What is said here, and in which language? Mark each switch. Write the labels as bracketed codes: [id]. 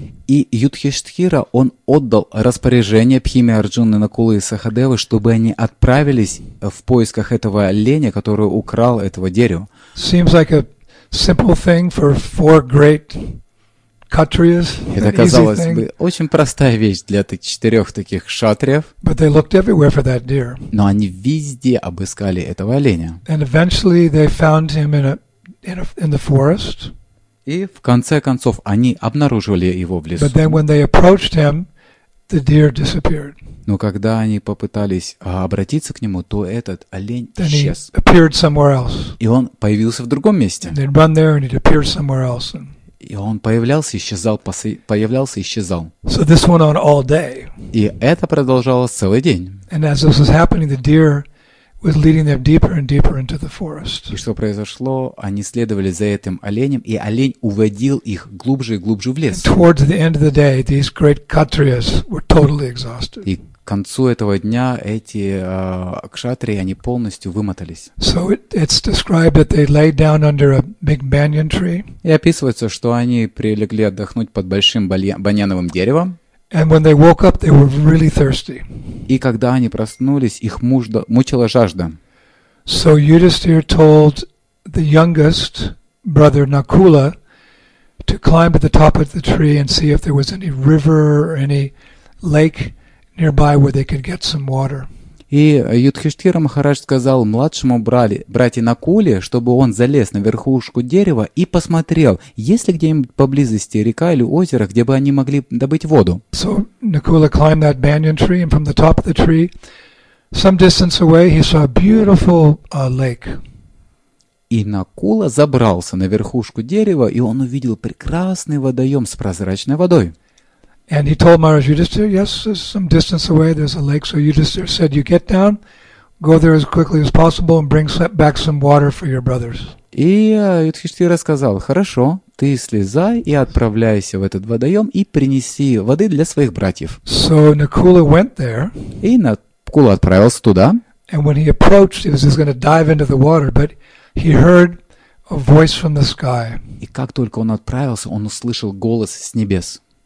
[ru] И Юдхиштхира, он отдал распоряжение Бхиме, Арджуне, Накуле и Сахадеве, чтобы они отправились в поисках этого оленя, который украл этого дерева. [en] Seems like a simple thing for four great Kshatriyas, [ru] это, казалось бы, очень простая вещь для четырех таких кшатриев. [en] But they looked everywhere for that deer. [ru] Но они везде обыскали этого оленя. [en] And eventually they found him in the forest. [ru] И в конце концов они обнаружили его в лесу. [en] But then when they approached him, the deer disappeared. [ru] Но когда они попытались обратиться к нему, то этот олень [en] then [ru] исчез. [en] He appeared somewhere else. [ru] И он появился в другом месте. [en] And they'd run there and he'd appear somewhere else. [ru] И он появлялся, исчезал, появлялся, исчезал. [en] So this went on all day. [ru] И это продолжалось целый день. [en] And as this was happening, the deer was leading them deeper and deeper into the forest. [ru] И что произошло? Они следовали за этим оленем, и олень уводил их глубже и глубже в лес. [en] And towards the end of the day, these great kshatriyas were totally exhausted. [ru] И к концу этого дня эти кшатрии, они полностью вымотались. [en] So it's described that they lay down under a big banyan tree. [ru] И описывается, что они прилегли отдохнуть под большим баньяновым деревом. [en] And when they woke up, they were really thirsty. [ru] И когда они проснулись, их мучила жажда. [en] So Yudhishthira told the youngest brother Nakula to climb to the top of the tree and see if there was any river or any lake nearby where they could get some water. [ru] И Юдхиштхира Махарадж сказал младшему брате Накуле, чтобы он залез на верхушку дерева и посмотрел, есть ли где-нибудь поблизости река или озеро, где бы они могли добыть воду. [en] So Nakula climbed that banyan tree, and from the top of the tree, some distance away, he saw a beautiful lake. [ru] И Накула забрался на верхушку дерева, и он увидел прекрасный водоем с прозрачной водой. [en] And he told Maharaj Yudhishthira, yes, there's some distance away, there's a lake. So Yudhishthira said, you get down, go there as quickly as possible and bring back some water for your brothers. [ru] И Юдхиштхира сказал, хорошо, ты слезай и отправляйся в этот водоем и принеси воды для своих братьев. [en] So Nakula went there. [ru] И Накула отправился туда. [en] And when he approached, he was just going to dive into the water, but he heard a voice from the sky. [ru] И как только он отправился, он услышал голос с небес.